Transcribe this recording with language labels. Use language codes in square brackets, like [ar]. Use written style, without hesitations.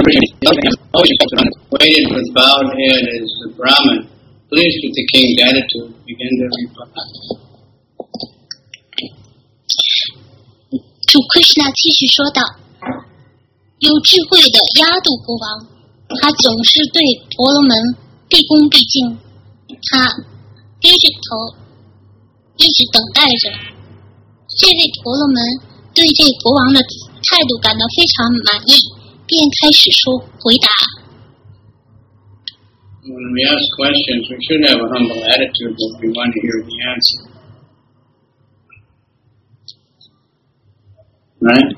[en] Waited with bowed head as the Brahmin, pleased with the king's attitude, began to reply. To Krishna, [zh] 继续说道：“有智慧的亚度国王，他总是对婆罗门毕恭毕敬，他低着头，一直等待着。这位婆罗门对这国王的态度感到非常满意。” 便开始说回答。 [en] When we ask questions, we should have a humble attitude, but we want to hear the answer.